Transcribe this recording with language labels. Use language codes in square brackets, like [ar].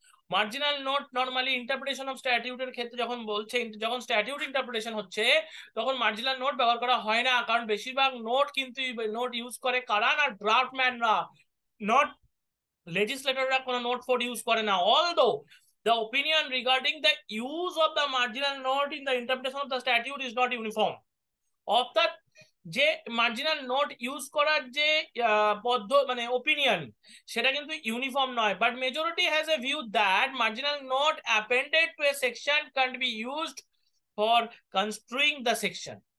[bn] Marginal note normally interpretation of স্ট্যাটিউটের ক্ষেত্রে যখন বলছে, যখন স্ট্যাটিউট ইন্টারপ্রিটেশন হচ্ছে তখন মার্জিনাল নোট ব্যবহার করা হয় না, কারণ বেশিরভাগ নোট কিন্তু নোট ইউজ করে কারা না, ড্রাফট ম্যানরা, নট লেজিসলেটররা কোনো নোট ফোর্ড ইউজ করে না। Although [en] The opinion regarding the use of the marginal note in the interpretation of the statute is not uniform. [bn] অর্থাৎ যে মার্জিনাল নোট ইউজ করার যে পদ্ধ মানে ওপিনিয়ন সেটা কিন্তু ইউনিফর্ম নয়, [en] But majority has a view that marginal note appended to a section can be used for construing the section.